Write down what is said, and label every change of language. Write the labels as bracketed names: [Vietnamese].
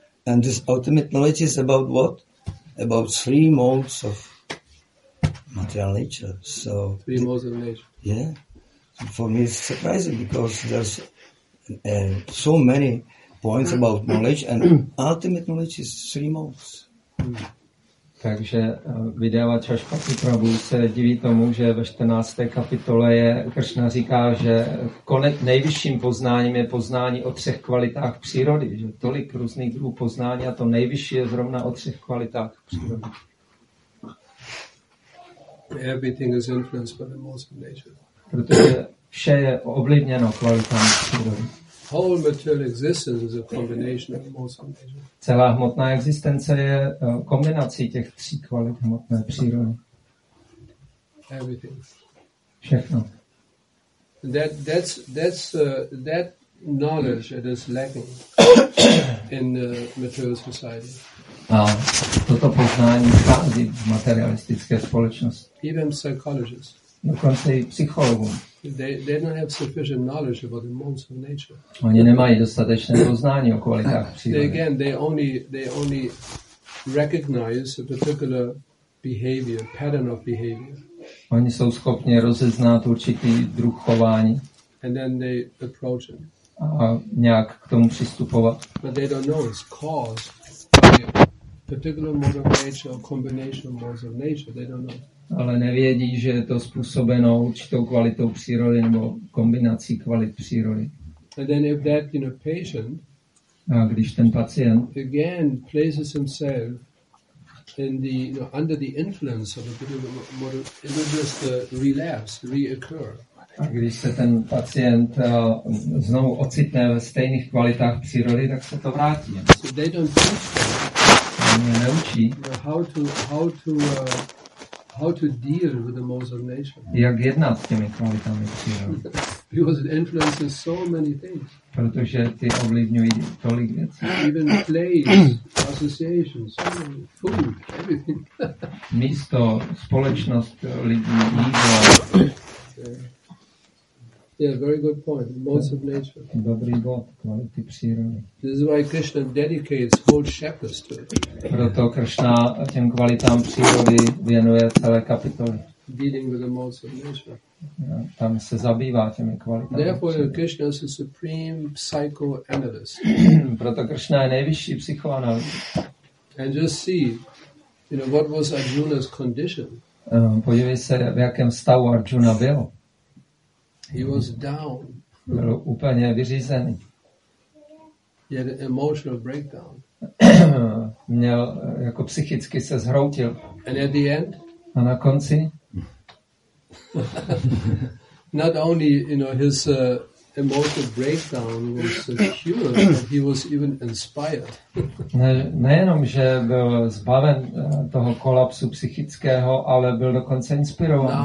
[English] And this ultimate knowledge is about what? About three modes of material nature. So three modes of nature. Yeah. For me, it's surprising because there's so many points about knowledge, and ultimate knowledge is three modes. [Czech] Takže vydavač Šašpati Prabhu se diví tomu, že ve 14. kapitole je Krishna říká, že nejvyšším poznáním je poznání o třech kvalitách přírody. Že tolik různých druhů poznání a to nejvyšší je zrovna o třech kvalitách přírody. [English] Everything is influenced by the laws of nature. [Czech] Protože vše je ovlivněno kvalitami přírody. [English] Whole material existence is a combination of modes of nature. [Czech] Celá hmotná existence je kombinací těch tří kvalit hmotné přírody. [English] Everything. [Czech] Všechno. [English] That knowledge that is lacking in the material society. [Czech] A toto poznání chází v materialistické společnosti. [English] Even psychologists. [Czech] Dokonce i psychologům. [English] They don't have sufficient knowledge about the modes of nature. [Czech] Oni nemají dostatečné poznání o kvalitách přírody. [English] They only recognize a particular behavior, pattern of behavior. [Czech] Oni jsou schopni rozeznat určitý druh chování. [English] And then they approach it. [Czech] A nějak k tomu přistupovat. [English] But they don't know its cause, particular mode of nature or combination of modes of nature. They don't know. [Czech] Ale nevědí, že je to způsobeno určitou kvalitou přírody nebo kombinací kvalit přírody. [English] And then if that, you know, patient, [Czech] a když ten pacient [English] again places himself in the, you know, under the influence of a model, it just relapse, reoccur. [Czech] A když se ten pacient znovu ocitne ve stejných kvalitách přírody, tak se to vrátí. [English] So they don't teach them. [Czech] mě naučí, [English] how to deal with the modes of nature. [Czech] Jak jednat s těmi kvalitami přírody. [English] Because it influences so many things. [Czech] Protože ty ovlivňují tolik věcí. [English] Even place, associations, food, everything. [Czech] Místo, společnost lidí, jídlo. [English] Yeah, very good point. Modes of nature. [Czech] Dobrý bod, kvality přírody. [English] This is why Krishna dedicates whole chapters to it. [Czech] Proto Krishna těm kvalitám přírody věnuje celé kapitoly. [English] Dealing with the modes of nature. [Czech] Tam se zabývá těmi kvalitami. [English] Therefore, Krishna is a supreme psychoanalyst. [Czech] Proto Krishna je nejvyšší psychoanalyst. [English] And just see, you know, what was Arjuna's condition. [Czech] Podívej se, v jakém stavu Arjuna byl. [English] He was down. [Czech] Byl úplně vyřízený. [English] He had an emotional breakdown. [Czech] Měl, jako psychicky se zhroutil. [English] And at the end? [Czech] A na konci? [English] Not only, you know, his emotional breakdown was secure, but he was even inspired. [Czech] Nejenom, že byl zbaven toho kolapsu psychického, ale byl dokonce inspirován.